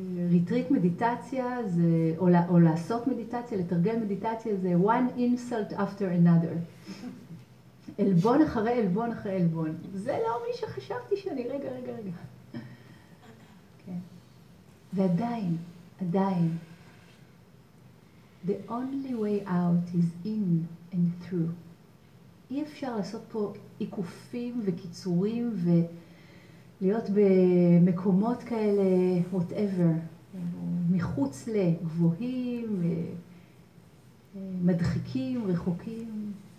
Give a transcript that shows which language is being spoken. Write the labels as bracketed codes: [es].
[he] ריטריט מדיטציה זה, או לעשות מדיטציה, לתרגל מדיטציה, זה [en] one insult after another. [he] אלבון אחרי אלבון אחרי אלבון. זה לא מי שחשבתי שאני, רגע. ועדיין, עדיין, [en] the only way out is in and through. [he] אי אפשר לעשות פה עיקופים וקיצורים ו... להיות במקומות כאלה, whatever, מחוץ לגבוהים, מדחיקים, רחוקים.